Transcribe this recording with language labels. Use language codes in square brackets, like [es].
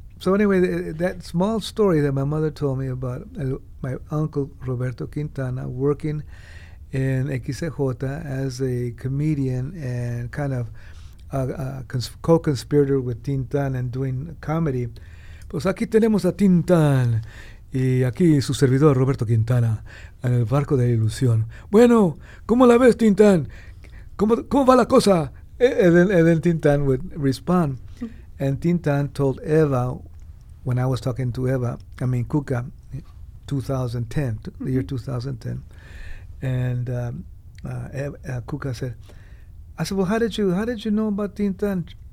[en] So anyway, that small story that my mother told me about my uncle Roberto Quintana working in XJ as a comedian and kind of co-conspirator with Tintan and doing comedy. [es] Pues aquí tenemos a Tintan y aquí su servidor Roberto Quintana en el Barco de la Ilusión. Bueno, ¿cómo la ves, Tintan? ¿Cómo va la cosa [en] And then Tintán would respond. And Tintán told Eva, when I was talking to Eva, I mean Cuca, 2010, the year 2010. And Cuca said, I said, well, how did you know about Tintán?